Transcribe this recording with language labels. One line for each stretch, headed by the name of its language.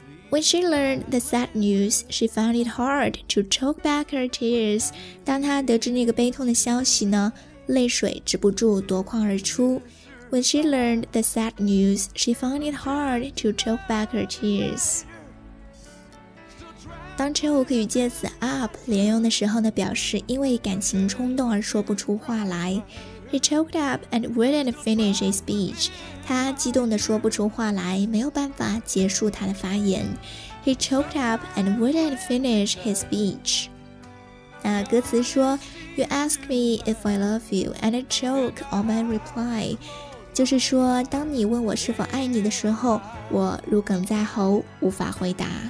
English: When she learned the sad news, she found it hard to choke back her tears.
Chinese: 当她得知那个悲痛的消息呢，泪水止不住夺眶而出。
English: When she learned the sad news, she found it hard to choke back her tears.
Chinese: 当 choke 与介词 up 连用的时候呢，表示因为感情冲动而说不出话来。
English: He choked up and wouldn't finish his speech.
Chinese: 他激动地说不出话来，没有办法结束他的发言。
English: He choked up and wouldn't finish his speech.
Chinese: 那歌词说
English: ,You ask me if I love you and I choke on my reply.
Chinese: 就是说当你问我是否爱你的时候，我如鲠在喉，无法回答。